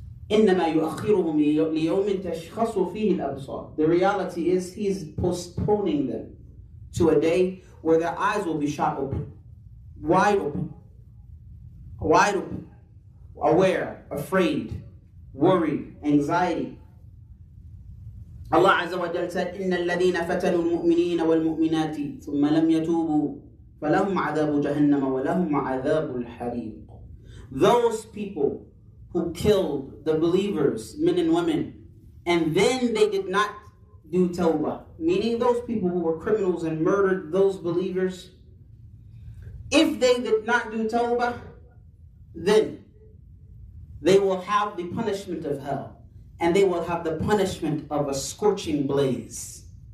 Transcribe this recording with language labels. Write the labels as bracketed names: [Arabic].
[Arabic] إِنَّمَا يُؤَخِّرُهُمْ لِيَوْمٍ تَشْخَصُ فِيهِ الْأَبْصَارِ. [English] The reality is he's postponing them to a day where their eyes will be shot open. Wide open. Wide open. Aware, afraid, worried, anxiety. [Arabic] Allah Azza wa Jalla [English] said, [Arabic] إِنَّ الَّذِينَ فَتَنُوا الْمُؤْمِنِينَ وَالْمُؤْمِنَاتِ ثُمَّ لَمْ يَتُوبُوا فَلَهُمْ عَذَابُ جَهَنَّمَ وَلَهُمْ عَذَابُ الْحَرِيقُ. [English] Those people who killed the believers, men and women, and then they did not do tawbah, meaning those people who were criminals and murdered those believers, if they did not do tawbah, then they will have the punishment of hell, and they will have the punishment of a scorching blaze.